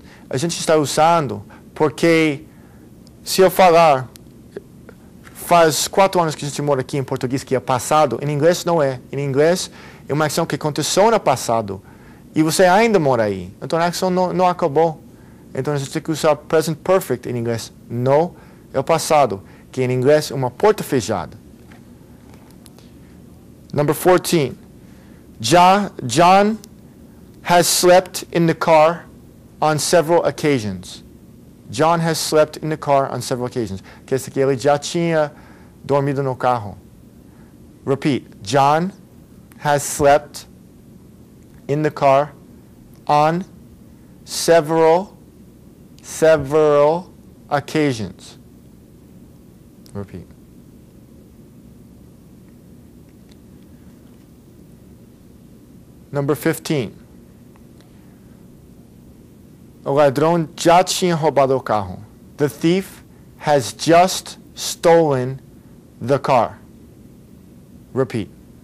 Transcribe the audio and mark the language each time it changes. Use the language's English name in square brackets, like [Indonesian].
[Portuguese] A gente está usando porque se eu falar faz 4 anos que a gente mora aqui em português, que é passado, em inglês não é. Em inglês é uma ação que aconteceu no passado e você ainda mora aí. Então a ação não acabou. Então a gente tem que usar present perfect em inglês. Não é o passado, que em inglês é uma porta fechada. [English] Number 14. John has slept in the car on several occasions. John has slept in the car on several occasions. [Portuguese] Quer dizer que ele já tinha dormido no carro. [English] Repeat. John has slept in the car on several occasions. Repeat. Number 15. [Portuguese] O ladrão já tinha roubado o carro. [English] The thief has just stolen the car. Repeat.